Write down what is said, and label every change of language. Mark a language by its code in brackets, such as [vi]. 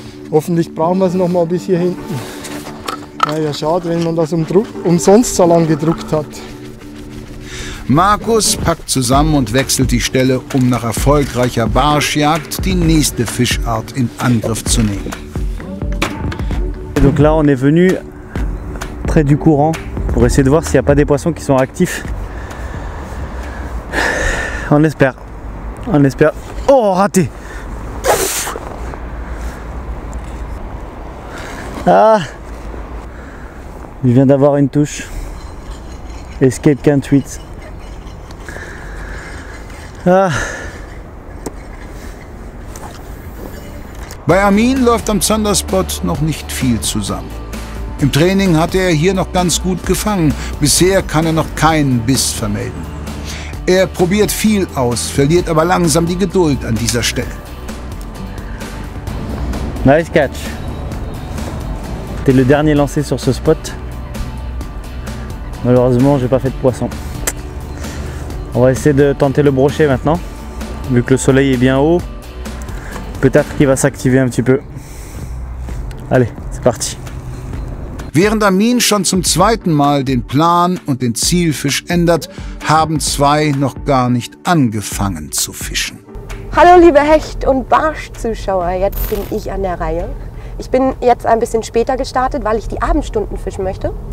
[de] Hoffentlich brauchen wir es noch mal bis hier hinten. Naja, schade, wenn man das umsonst so lang gedruckt hat. Markus packt zusammen und wechselt die Stelle, um nach erfolgreicher Barschjagd die nächste Fischart in Angriff zu nehmen. [fr] Donc là, on est venu près du courant pour essayer de voir s'il n'y a pas des poissons qui sont actifs. On espère. Oh, raté! Ah! Il vient d'avoir une touche. Escape can't tweet. Ah! [de] Bei Armin läuft am Zanderspot noch nicht viel zusammen. Im Training hatte er hier noch ganz gut gefangen. Bisher kann er noch keinen Biss vermelden. Er probiert viel aus, verliert aber langsam die Geduld an dieser Stelle. [en] Nice catch. [fr] C'est le dernier lancé sur ce spot. Malheureusement, j'ai pas fait de poisson. On va essayer de tenter le brochet maintenant. Vu que le soleil est bien haut, peut-être qu'il va s'activer un petit peu. Allez, c'est parti. [de] Während Amin schon zum zweiten Mal den Plan und den Zielfisch ändert, haben zwei noch gar nicht angefangen zu fischen. Hallo liebe Hecht- und Barsch-Zuschauer, jetzt bin ich an der Reihe. Ich bin jetzt ein bisschen später gestartet, weil ich die Abendstunden fischen möchte.